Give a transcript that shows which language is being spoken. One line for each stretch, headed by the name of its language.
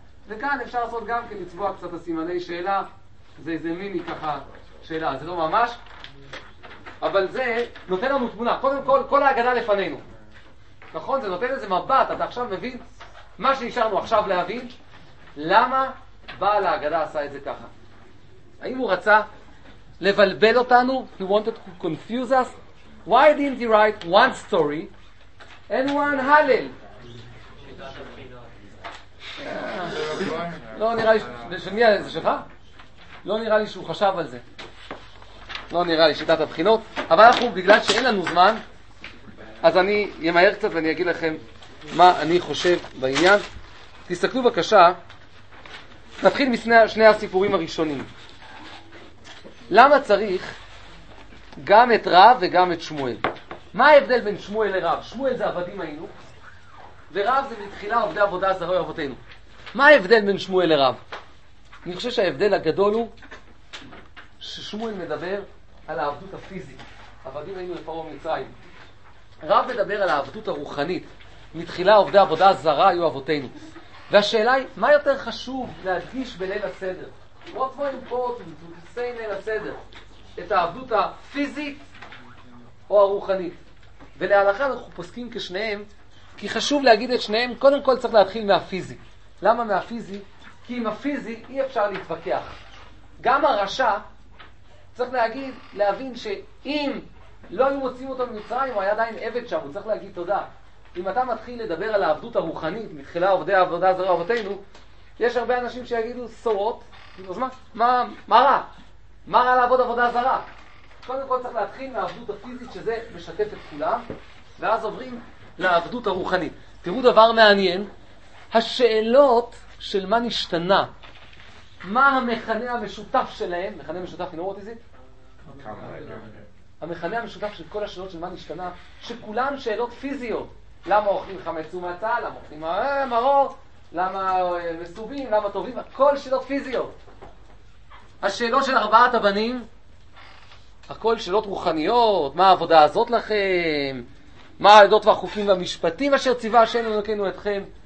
Hebrew: וכאן אפשר לעשות גם כן לצבוע קצת הסימני שאלה, זה איזה מיני ככה שאלה, זה לא ממש, אבל זה נותן לנו תמונה, קודם כל, כל ההגדה לפנינו. נכון? זה נותן איזה מבט, אתה עכשיו מבין מה שנשארנו עכשיו להבין, למה בעל ההגדה עשה את זה ככה? האם הוא רצה לבלבל אותנו?
English: He wanted to confuse us? Why didn't he write one story and one הלל?
Hebrew: לא נראה לי, שמי על זה שלך? לא נראה לי שהוא חשב על זה. לא נראה לי שיטת הבחינות, אבל אנחנו, בגלל שאין לנו זמן, אז אני אמהר קצת ואני אגיד לכם מה אני חושב בעניין. תסתכלו בבקשה, נתחיל משני הסיפורים הראשונים. למה צריך גם את רב וגם את שמואל? מה ההבדל בין שמואל לרב? שמואל זה עבדים היינו, ורב זה מתחילה עובדי עבודה זרוי אבותינו. מה ההבדל בין שמואל לרב? אני חושב שההבדל הגדול הוא ששמואל מדבר על העבדות הפיזית. עבדים היינו לפרעה מצרים. רב מדבר על העבדות הרוחנית. מתחילה עובדי עבודה זרה היו אבותינו. והשאלה היא, מה יותר חשוב להדגיש בליל הסדר?
English: What more important to say in ליל הסדר?
Hebrew: את העבדות הפיזית או הרוחנית? ולהלכה אנחנו פוסקים כשניהם, כי חשוב להגיד את שניהם, קודם כל צריך להתחיל מהפיזי. למה מהפיזי? כי עם הפיזי אי אפשר להתווכח. גם הרשע צריך להגיד, להבין שאם לא היו מוצאים אותו ממצרים, הוא היה עדיין עבד שם, הוא צריך להגיד תודה. אם אתה מתחיל לדבר על העבדות הרוחנית, מתחילה עובדי העבודה זרה אבותינו, יש הרבה אנשים שיגידו, סורות, אז מה? מה רע? מה רע לעבוד עבודה זרה? קודם כל צריך להתחיל מהעבדות הפיזית, שזה משתף את כולם, ואז עוברים לעבדות הרוחנית. תראו דבר מעניין, השאלות של מה נשתנה, מה המכנה המשותף שלהם? מכנה משותף,
English: you know what is it?
Hebrew: המכנה המשותף של כל השאלות של מה נשתנה, שכולן שאלות פיזיות. למה אוכלים חמץ ומצה? למה אוכלים מרור? למה מסובים? למה טובים? כל שאלות פיזיות. השאלות של ארבעת הבנים, הכל שאלות רוחניות, מה העבודה הזאת לכם, מה העדות והחוקים והמשפטים אשר ציווה השם אלוקינו אתכם.